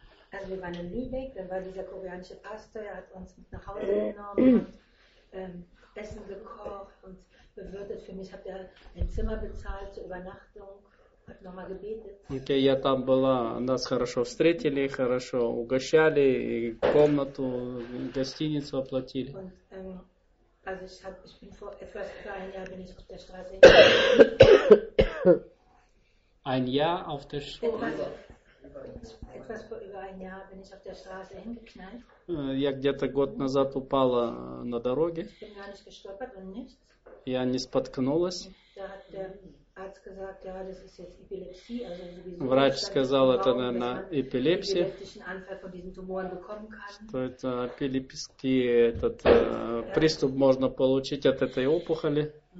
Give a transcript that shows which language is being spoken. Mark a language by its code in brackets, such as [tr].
[de] Also wir waren in Lübeck, dann war dieser koreanische Pastor, er hat uns mit nach Hause genommen, Essen gekocht und bewirtet. Für mich hat er ein Zimmer bezahlt zur Übernachtung, hat nochmal gebetet. [ru] Okay, я там была, нас хорошо встретили, хорошо угощали, комнату, гостиницу оплатили. [de] Und, also ich bin vor etwas über ein Jahr bin ich auf der Straße. Ein Jahr auf der Straße. Etwas vor über ein Jahr bin ich auf der Straße hingeknallt. [ru] Я где-то год назад упала на дороге. [de] Ich bin gar nicht gestolpert und nichts. [ru] Я не споткнулась. [de] Da hat der Arzt gesagt, ja, das ist jetzt Epilepsie, also sowieso. [ru] Врач сказал, это наверное эпилепсия. Эпилептичный анфаль [de] von diesen Tumoren bekommen kann. [ru] Что это эпилептический этот приступ можно получить от этой опухоли.